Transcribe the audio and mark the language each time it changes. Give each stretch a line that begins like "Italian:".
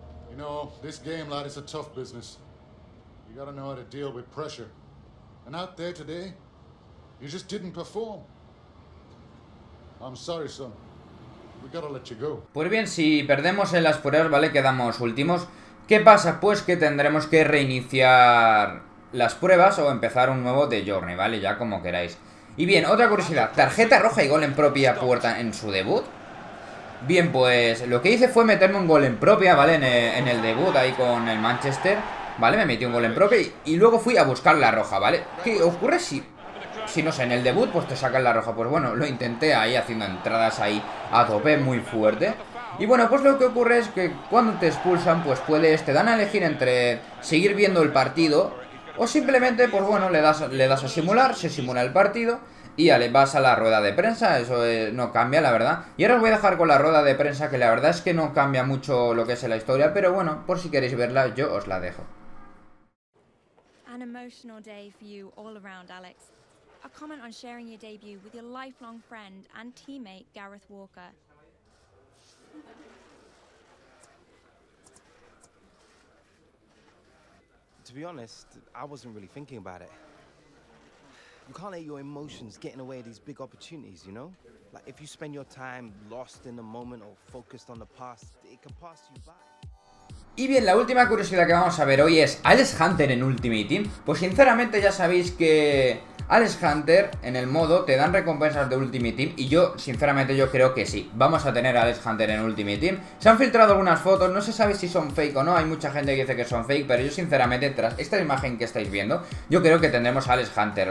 English: You know, this game, lad, is a tough business. You gotta know how to deal with pressure. And out there today, you just didn't perform. I'm sorry, son. We gotta let you go.
Spanish: Pues bien, si perdemos en las pruebas, ¿vale? Quedamos últimos. ¿Qué pasa? Pues que tendremos que reiniciar las pruebas o empezar un nuevo The Journey, ¿vale? Ya como queráis. Y bien, otra curiosidad, tarjeta roja y gol en propia puerta en su debut. Bien, pues lo que hice fue meterme un gol en propia, ¿vale? En el debut ahí con el Manchester, ¿vale? Me metí un gol en propia y luego fui a buscar la roja, ¿vale? ¿Qué ocurre si no sé, en el debut pues te sacan la roja? Pues bueno, lo intenté ahí haciendo entradas ahí a tope muy fuerte. Y bueno, pues lo que ocurre es que cuando te expulsan, pues puedes, te dan a elegir entre seguir viendo el partido o simplemente, pues bueno, le das a simular, se simula el partido y ya le vas a la rueda de prensa. Eso no cambia, la verdad. Y ahora os voy a dejar con la rueda de prensa, que la verdad es que no cambia mucho lo que es la historia, pero bueno, por si queréis verla, yo os la dejo.
English: An emotional day for you all around, Alex. A comment on sharing your debut with your lifelong friend and teammate Gareth Walker. To be honest, I wasn't really thinking about it. You can't let your emotions get in the way of these big opportunities, you know? Like, if you spend your time lost in the moment or focused on the past, it can pass you by.
Spanish: Y bien, la última curiosidad que vamos a ver hoy es, ¿Alex Hunter en Ultimate Team? Pues sinceramente ya sabéis que Alex Hunter en el modo te dan recompensas de Ultimate Team. Y yo, sinceramente, yo creo que sí. Vamos a tener a Alex Hunter en Ultimate Team. Se han filtrado algunas fotos, no se sabe si son fake o no. Hay mucha gente que dice que son fake, pero yo, sinceramente, tras esta imagen que estáis viendo, yo creo que tendremos a Alex Hunter.